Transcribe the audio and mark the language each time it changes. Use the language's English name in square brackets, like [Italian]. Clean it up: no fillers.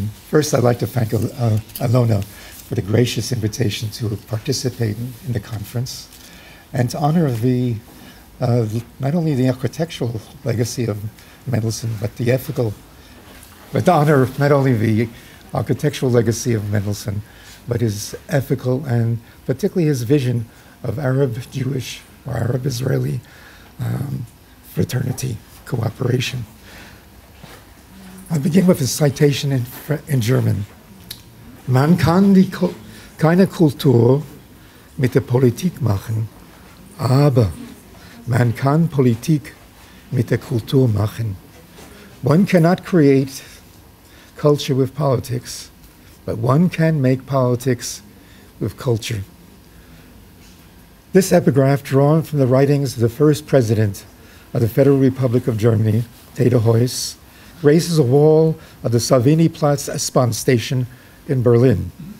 [English] First, I'd like to thank Alona for the gracious invitation to participate in the conference and to honor not only the architectural legacy of Mendelssohn, his ethical and particularly his vision of Arab-Jewish or Arab-Israeli fraternity. Cooperation. I begin with a citation in German. [German] Man kann keine Kultur mit der Politik machen, aber man kann Politik mit der Kultur machen. [English] One cannot create culture with politics, but one can make politics with culture. This epigraph, drawn from the writings of the first president of the Federal Republic of Germany, Theodor Heuss, raises a wall of the Salviniplatz S-Bahn station in Berlin.